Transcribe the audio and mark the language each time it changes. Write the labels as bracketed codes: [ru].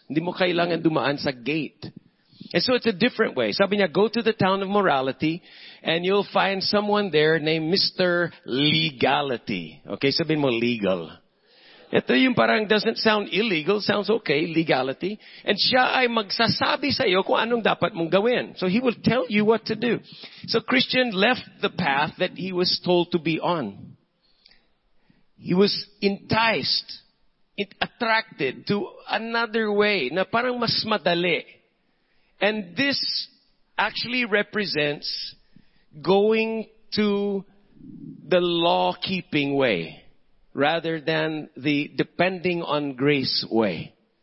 [tl] Hindi mo kailangan dumaan sa gate. [en] And so it's a different way. [tl] Sabi niya, [en] go to the town of morality and you'll find someone there named Mr. Legality. Okay, [tl] sabihin mo [en] legal. [tl] Ito yung parang [en] doesn't sound illegal, sounds okay, legality. [tl] And siya ay magsasabi sa iyo kung anong dapat mong gawin. [en] So he will tell you what to do. So Christian left the path that he was told to be on. He was enticed, attracted to another way [tl] na parang mas madali. [en] And this actually represents going to the law-keeping way rather than the depending on grace way.